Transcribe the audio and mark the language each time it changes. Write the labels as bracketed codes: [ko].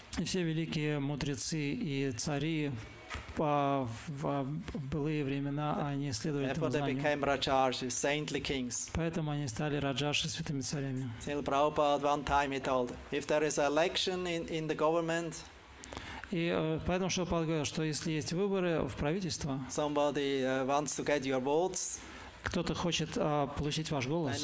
[ru] И все великие мудрецы и цари в былые времена они следовали этому знанию. [en] Therefore they became Rajarshis, saintly kings. [ru] Поэтому они стали Раджарши, святыми царями. [en] Srila Prabhupada one time he told, if there is election in the government, [ru] и поэтому Шрила Прабхупада говорил, что если есть выборы в правительство, [en] somebody wants to get your votes, [ru] кто-то хочет получить ваш голос.